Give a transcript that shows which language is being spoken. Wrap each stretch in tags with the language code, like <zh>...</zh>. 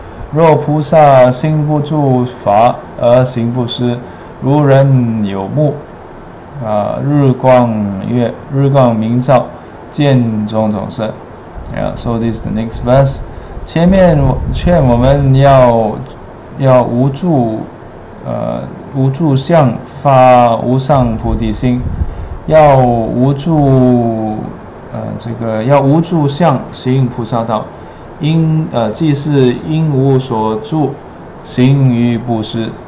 <zh>若菩萨心不住法而行布施，如人有目，日光明照。见种种色</zh> <en>yeah, So this is the next verse.</en> <zh>前面劝我们要无住相发无上菩提心，要无住相行菩萨道，即是因无所住行于布施。</zh>